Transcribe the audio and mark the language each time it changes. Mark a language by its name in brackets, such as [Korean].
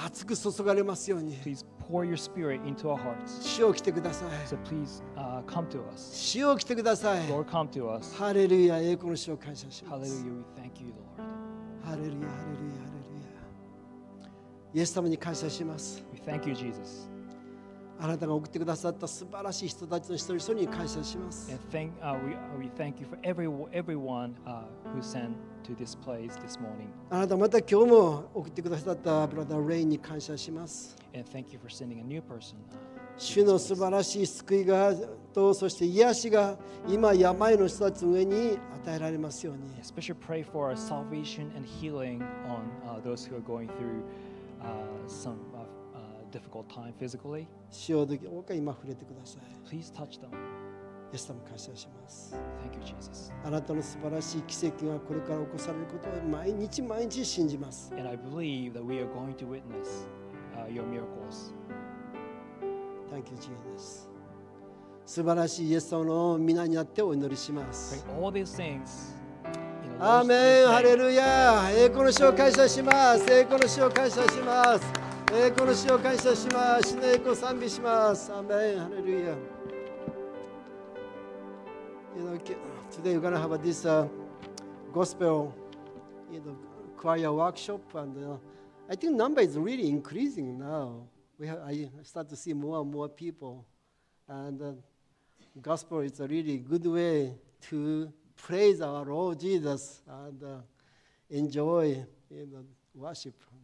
[Japanese] 熱く注がれますように。 [English] Please pour your spirit into our hearts. [Japanese] 主よ来てください。 [English] So please come to us. [Japanese] 主よ来てください。 [English] Lord, come to us. [Japanese] ハレルヤ、栄光の主を感謝します。 [English] Hallelujah, we thank you, Lord. [Japanese] ハレルヤ、ハレルヤ、ハレルヤ。イエス様に感謝します。 [English] We thank you, Jesus. [Japanese] あなたが送ってくださった素晴らしい人たちの一人一人に感謝します。 [English] We thank you for everyone who sent to this place this morning. [Japanese] あなたまた今日も送ってくださったブラザー・レインに感謝します。 [English] And thank you for sending a new person. [Japanese] 主の素晴らしい救いがとそして癒しが今病の人たちの上に与えられますように。 [English] Especially pray for our salvation and healing on those who are going through some. Difficult time physically. Please touch them. [Japanese] イエス様感謝します。 [English] Thank you, Jesus. [Japanese] あなたの素晴らしい奇跡がこれから起こされることを毎日毎日信じます。 [English] And I believe that we are going to witness your miracles. Thank you, Jesus. [Japanese] 素晴らしいイエス様の皆によってお祈りします。 [English] Pray all these things. [Japanese] アーメン。ハレルヤ。栄光の主を感謝します。栄光の主を感謝します。この主を感謝します。主の栄光を賛美します。アメン。ハレルヤ。 [English] You know, today we're going to have this gospel you know, choir workshop. And I think number is really increasing now. I start to see more and more people. And gospel is a really good way to praise our Lord Jesus and enjoy you know, worship.